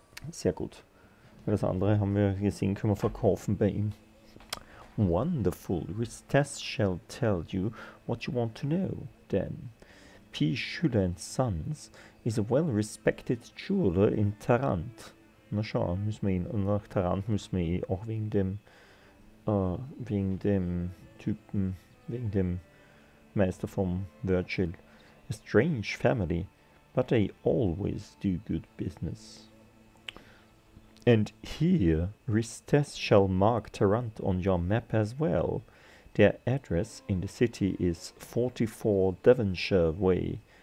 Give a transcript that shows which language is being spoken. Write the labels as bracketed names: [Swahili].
[German] Sehr gut. Weil das andere haben wir gesehen, können wir verkaufen bei ihm. [English] Wonderful. Which test shall tell you what you want to know, then? P. Schüler and Sons is a well-respected jeweler in Tarant. [German] Na schau, müssen wir ihn, nach Tarant müssen wir ihn auch wegen dem Typen, wegen dem Meister vom Virgil. [English] A strange family, but they always do good business. And here, Ristes shall mark Tarant on your map as well. Their address in the city is 44 Devonshire Way.